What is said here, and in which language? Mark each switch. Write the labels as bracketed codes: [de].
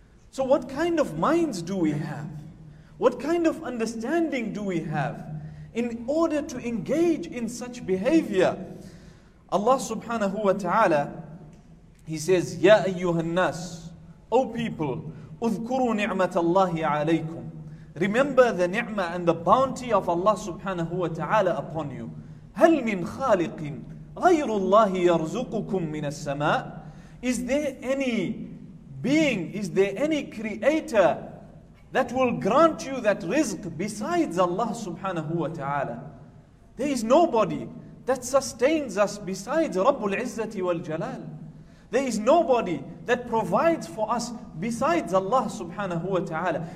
[en] So what kind of minds do we have? What kind of understanding do we have in order to engage in such behavior. Allah subhanahu wa ta'ala, He says, Ya ayyuhan nas, O people, [ar] اذكروا نعمة الله عليكم. [en] Remember the ni'mah and the bounty of Allah subhanahu wa ta'ala upon you. [ar] هل من خالق غير الله يرزقكم من السماء? [en] Is there any being, is there any creator that will grant you that rizq besides Allah subhanahu wa ta'ala? There is nobody that sustains us besides Rabbul Izzati wal Jalal. There is nobody that provides for us besides Allah subhanahu wa ta'ala.